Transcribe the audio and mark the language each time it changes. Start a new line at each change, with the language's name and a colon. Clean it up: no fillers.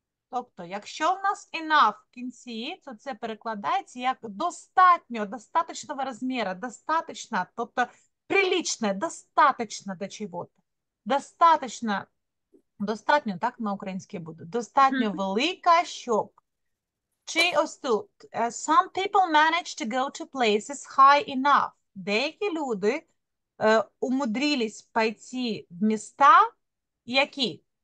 Ukrainian: Тобто, якщо в нас enough в кінці, то це перекладається як достатньо, достатнього розміру, достатньо, тобто прилічне, достатньо до чого-то. Достатньо, достатньо, так на українській буде. Достатньо велика, щоб. Чи ось тут.
English: Some people manage to go to places high enough.
Ukrainian: Деякі люди умудрились пойти в міста, які?